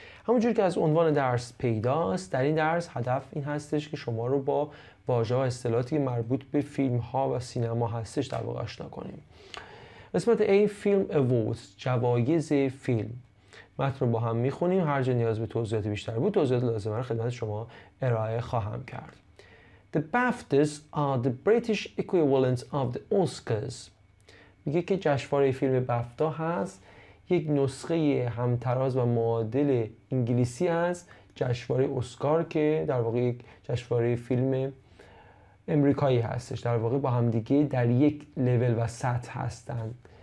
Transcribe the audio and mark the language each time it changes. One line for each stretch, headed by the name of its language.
Persian: همونجور که از عنوان درس پیداست، در این درس هدف این هستش که شما رو با واژه ها اصطلاحاتی مربوط به فیلم ها و سینما هستش در واقع آشنا کنیم. قسمت A Film Awards، جوایز فیلم. متن رو با هم میخونیم، هر جا نیاز به توضیحات بیشتر بود توضیحات لازمه رو خدمت شما ارائه خواهم کرد.
English: The BAFTAs are the British equivalent of the Oscars.
Persian: میگه که جشنواره فیلم بافتا هست یک نسخه همتراز و معادل انگلیسی از جشنواره اسکار که در واقع یک جشنواره فیلم امریکایی هستش. در واقع با همدیگه در یک لول و سطح هستند.